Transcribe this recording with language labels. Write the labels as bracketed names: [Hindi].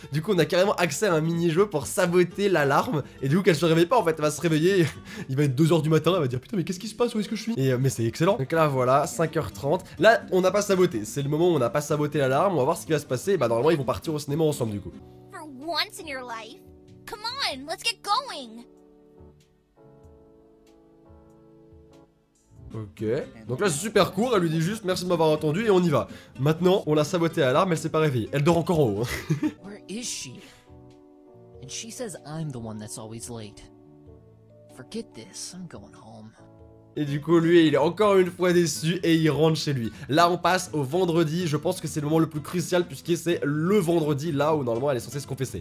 [French] Du coup on a carrément accès à un mini-jeu pour saboter l'alarme, et du coup qu'elle se réveille pas en fait, elle va se réveiller, il va être 2h du matin, elle va dire putain mais qu'est-ce qui se passe, où est-ce que je suis, mais c'est excellent. Donc là voilà, 5h30, là on n'a pas saboté, c'est le moment où on n'a pas saboté l'alarme, on va voir ce qui va se passer, et bah normalement ils vont partir au cinéma ensemble du coup. [English] For once in your life, come on, let's get going. [French] Ok, donc là c'est super court, elle lui dit juste merci de m'avoir entendu et on y va. Maintenant, on l'a sabotée à l'arme, elle s'est pas réveillée. Elle dort encore en haut. [English] Where is she? And she says I'm the one that's always late. Forget this, I'm going home. [French] Et du coup, lui, il est encore une fois déçu et il rentre chez lui. Là, on passe au vendredi. Je pense que c'est le moment le plus crucial puisque c'est le vendredi là où normalement elle est censée se confesser.